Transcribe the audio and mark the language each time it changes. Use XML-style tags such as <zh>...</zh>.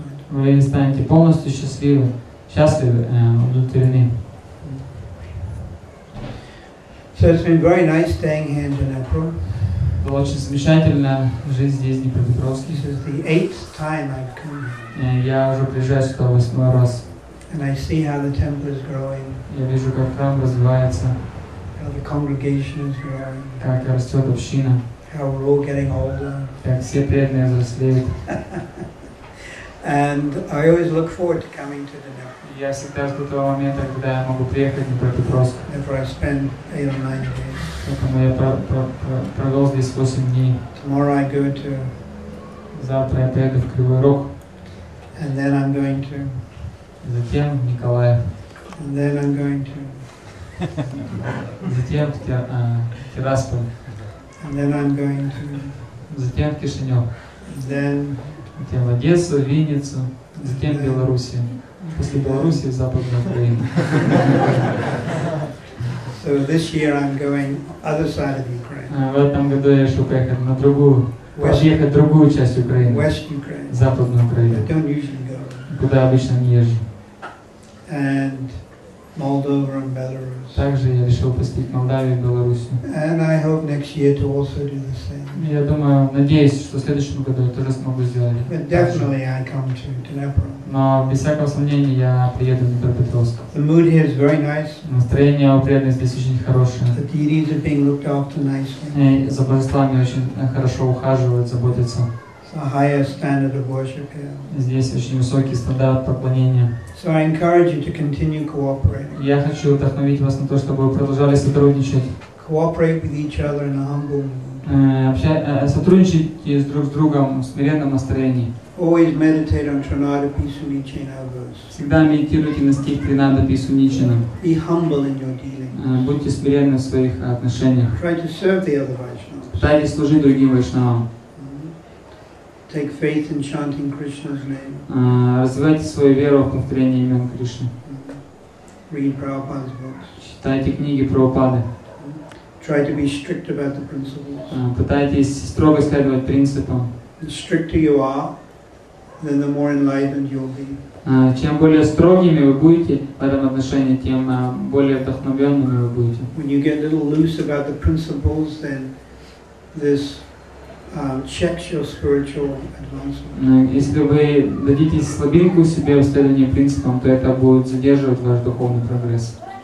<ru>Вы станете полностью счастливы, удовлетворены.</ru> <en>So it's been very nice staying here in Dnipro.</en> <ru>Было очень замечательно жить здесь, в Днепропетровске.</ru> <en>This is the eighth time I've come.</en> <ru>Я уже приезжаю сюда восьмой раз.</ru> <en>And I see how the temple is growing.</en> <ru>Я вижу, как храм развивается.</ru> <en>How the congregation is growing.</en> <ru>Как растет община.</ru> <en>How we're all getting older.</en> <ru>Как все преданные взрослеют.</ru> <en>And I always look forward to coming to Dnipro.</en> <ru>Я всегда жду того момента, когда я могу приехать в Днепропетровск.</ru> <en>Therefore I spend 8 or 9 days.</en> <ru>Поэтому я провел здесь 8 дней.</ru> <en>Tomorrow I go to.</en> <ru>Завтра я поеду в Кривой Рог.</ru> <en>And then I'm going to.</en> <ru>Затем в Николаев.</ru> <en>And then I'm going to.</en> <ru>Затем в Тирасполь.</ru> <en>And then I'm going to.</en> <ru>Затем в Кишинев.</ru> <en>Then.</en> <ru>Затем в Одессу, Винницу. Затем в Белоруссию. После Белоруссии в Западную Украину.</ru> <en>So this year I'm going other side of Ukraine.</en> <ru>В этом году я решил поехать на другую, поехать в другую часть Украины.</ru> <en>West Ukraine.</en> <ru>Западную Украину.</ru> <en>I don't usually go.</en> <ru>Куда обычно не езжу.</ru> <en>And Moldova and Belarus.</en> <ru>Также я решил посетить Молдавию и Белоруссию.</ru> <en>And I hope next year to also do the same.</en> <ru>Я думаю, надеюсь, что в следующем году я тоже смогу сделать.</ru> <en>But definitely I come to Dnipro.</en> <ru>Но без всякого сомнения я приеду в Днепропетровск.</ru> <en>The mood here is very nice.</en> <ru>Настроение у преданных здесь очень хорошее.</ru> <en>The deities are being looked after nicely.</en> <ru>И за божествами очень хорошо ухаживают, заботятся.</ru> <en>So higher standard of worship here.</en> <ru>Здесь очень высокий стандарт поклонения.</ru> <en>So I encourage you to continue cooperating.</en> <ru>Я хочу вдохновить вас на то, чтобы вы продолжали сотрудничать.</ru> <en>Cooperate with each other in a humble mood.</en> <ru>Сотрудничайте друг с другом в смиренном настроении.</ru> <en>Always meditate on Trinadapi Sunichana verse.</en> <ru>Всегда медитируйте на стих Тринадапи Сунничана.</ru> <en>Be humble in your dealings.</en> <ru>Будьте смиренны в своих отношениях.</ru> <en>Try to serve the other Vaishnavas.</en> <ru>Пытайтесь служить другим Вайшнавам.</ru> <en>Take faith in chanting Krishna's name.</en> <ru>Развивайте свою веру в повторении имен Кришны.</ru> <en>Read Prabhupada's books.</en> <ru>Читайте книги Прабхупады.</ru> <en>Try to be strict about the principles.</en> <ru>Пытайтесь строго следовать принципам.</ru> <en>The stricter you are, then the more enlightened you'll be.</en> <ru>Чем более строгими вы будете в этом отношении, тем более вдохновенными вы будете.</ru> <en>When you get a little loose about the principles, then this checks your spiritual advancement.</en> <ru>Если вы дадите слабинку себе в следовании принципам, то это будет задерживать ваш духовный прогресс.</ru>